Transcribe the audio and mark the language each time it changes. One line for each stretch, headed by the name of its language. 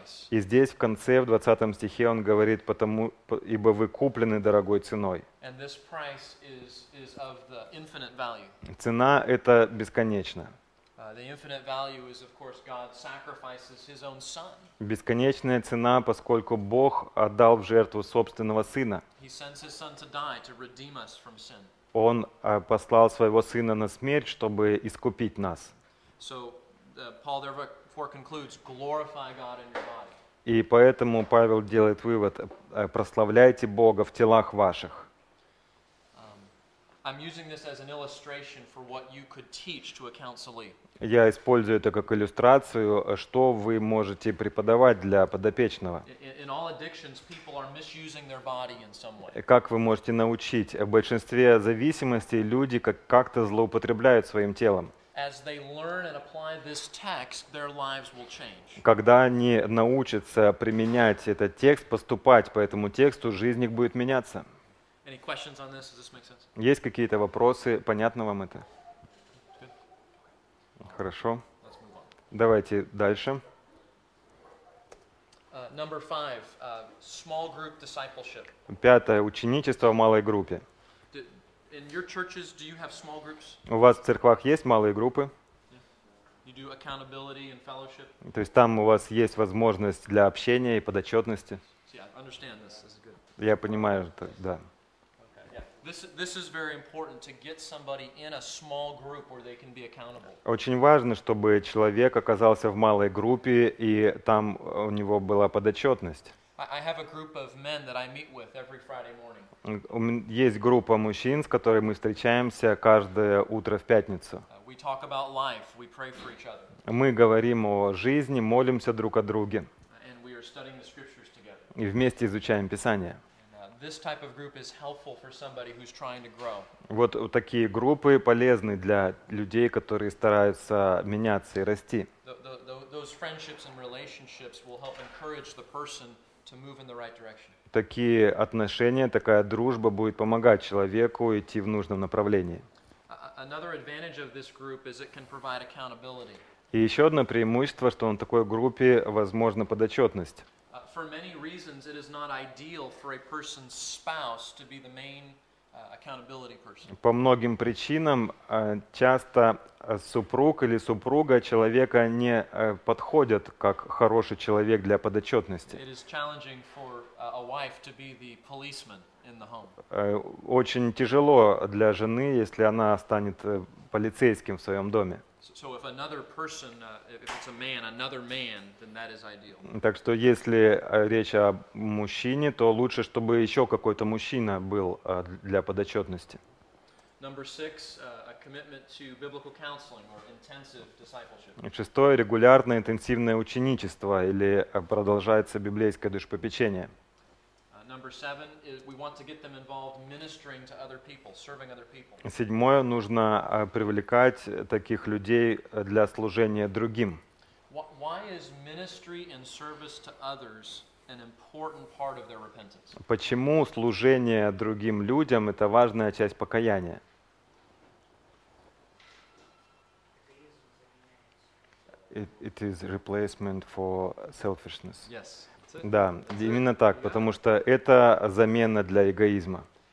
Russian: И здесь, в конце, в 20 стихе, он говорит, потому, ибо вы куплены дорогой ценой.
English: And this price is of the infinite value.
Russian: Цена — это бесконечно.
English: The infinite value is, of course, God sacrifices His own Son.
Russian: Бесконечная цена, поскольку Бог отдал в жертву собственного Сына.
English: He sends His Son to die to redeem us from sin.
Russian: Он послал своего Сына на смерть, чтобы искупить нас.
English: So, Paul therefore concludes, glorify God in your body.
Russian: И поэтому Павел делает вывод: прославляйте Бога в телах ваших.
English: I'm using this as an illustration for what you could teach to a counselee.
Russian: Я использую это как иллюстрацию, что вы можете преподавать для подопечного.
English: In all addictions, people are misusing their body in some way.
Russian: Как вы можете научить? В большинстве зависимостей люди как-то злоупотребляют своим телом.
English: As they learn and apply this text, their lives will change.
Russian: Когда они научатся применять этот текст, поступать по этому тексту, жизнь их будет меняться.
English: Any questions on this? Does this make sense?
Russian: Есть какие-то вопросы? Понятно вам это? Хорошо. Давайте дальше.
English: Number five, small group discipleship.
Russian: Пятое, ученичество в малой группе.
English: In your churches, do you have small groups?
Russian: У вас в церквах есть малые группы?
English: Yeah. You do accountability and fellowship.
Russian: То есть там у вас есть возможность для общения и подотчетности?
English: Yeah, I understand this. This is good.
Russian: Я понимаю, это, да.
English: This is very important to get somebody in a small group where they can be accountable.
Russian: Очень важно, чтобы человек оказался в малой группе и там у него была подотчетность.
English: I have a group of men that I meet with every Friday morning.
Russian: Есть группа мужчин, с которой мы встречаемся каждое утро в пятницу.
English: We talk about life, we pray for each other.
Russian: Мы говорим о жизни, молимся друг о друге.
English: And we are studying the scriptures together.
Russian: И вместе изучаем Писание.
English: This type of group is helpful for somebody who's trying to grow.
Russian: Вот такие группы полезны для людей, которые стараются меняться и расти.
English: Those friendships and relationships will help encourage the person to move in the right direction.
Russian: Такие отношения, такая дружба будет помогать человеку идти в нужном направлении.
English: Another advantage of this group is it can provide accountability.
Russian: И еще одно преимущество, что на такой группе возможна подотчетность.
English: For many reasons, it is not ideal for a person's spouse to be the main accountability person.
Russian: По многим причинам часто супруг или супруга человека не подходят как хороший человек для подотчетности.
English: It is challenging for a wife to be the policeman in the home.
Russian: Очень тяжело для жены, если она станет полицейским в своем доме.
English: So if another person, if it's a man, another man, then that is ideal.
Russian: Так что если речь о мужчине, то лучше, чтобы еще какой-то мужчина был для подотчетности.
English: Number six, a commitment to biblical counseling or intensive discipleship.
Russian: Шестое, регулярное интенсивное ученичество или продолжается библейское душепопечение.
English: Number seven is we want to get them involved ministering to other people, serving other people.
Russian: Седьмое, нужно привлекать таких людей для служения другим.
English: Why is ministry and service to others an important part of their repentance?
Russian: Почему служение другим людям это важная часть покаяния?
English: It is replacement for selfishness. Yes.
Russian: Да, именно так, потому что это замена для эгоизма.